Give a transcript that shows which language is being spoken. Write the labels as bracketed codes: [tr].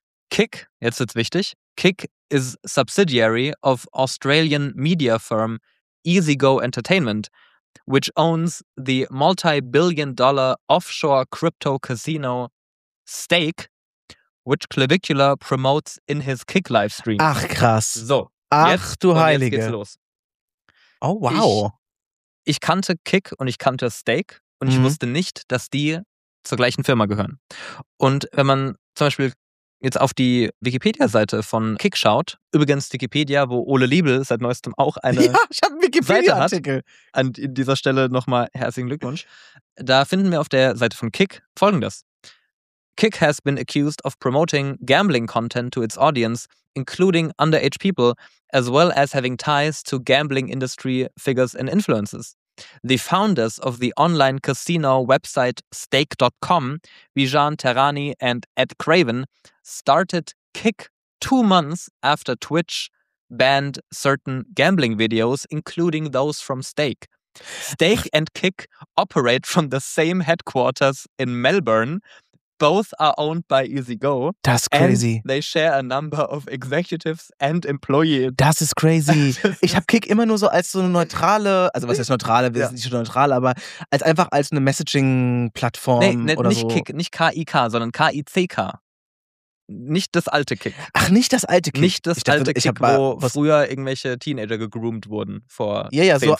[en] Kick, jetzt wird's wichtig, Kick is subsidiary of Australian media firm EasyGo Entertainment, which owns the multi-billion dollar offshore crypto casino Stake, which Clavicula promotes in his Kick livestream. [de] Ach krass. So. Ach jetzt, du Heilige. Jetzt geht's los. Oh wow. Ich kannte Kick und ich kannte Stake und ich wusste nicht, dass die zur gleichen Firma gehören. Und wenn man zum Beispiel jetzt auf die Wikipedia-Seite von Kick schaut, übrigens Wikipedia, wo Ole Liebel seit neuestem auch eine Seite hat. Ja, ich habe einen Wikipedia-Artikel. An dieser Stelle nochmal herzlichen Glückwunsch. Da finden wir auf der Seite von Kick Folgendes. [en] Kick has been accused of promoting gambling content to its audience, including underage people, as well as having ties to gambling industry figures and influences. The founders of the online casino website Stake.com, Bijan Terani and Ed Craven, started Kick 2 months after Twitch banned certain gambling videos, including those from Stake. Stake and Kick operate from the same headquarters in Melbourne. Both are owned by EasyGo. That's crazy. And they share a number of executives and employees. [de] Das ist crazy. Ich habe Kick immer nur so als so eine neutrale, also was heißt neutrale, wir sind nicht neutral, aber als einfach als eine Messaging-Plattform oder nicht so. Kick, nicht K-I-K, sondern K-I-C-K. Nicht das alte Kick. Ach, nicht das alte Kick. Nicht das alte Kick, wo früher irgendwelche Teenager gegroomt wurden vor 10, 15 Jahren.